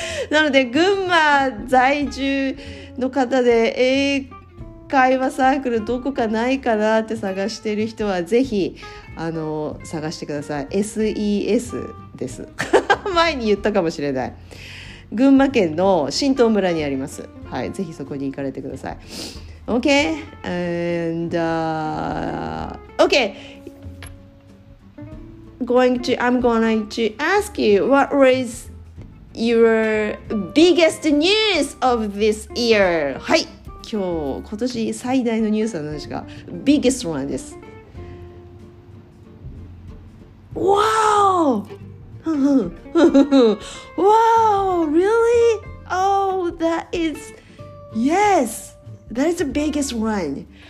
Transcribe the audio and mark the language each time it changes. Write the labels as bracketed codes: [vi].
[ja] なので群馬在住の方で英会話サークルどこかないかなって探してる人はぜひ探してください。 SES です。前に言ったかもしれない、群馬県の新東村にあります。はい、ぜひそこに行かれてください。 [en] Okay, and I'm going to ask you what was your biggest news of this year? [ja] はい、今年最大のニュースは何ですか? [en] Biggest one です。 Wow! Wow! Really? Oh, that is yes. That is the biggest one.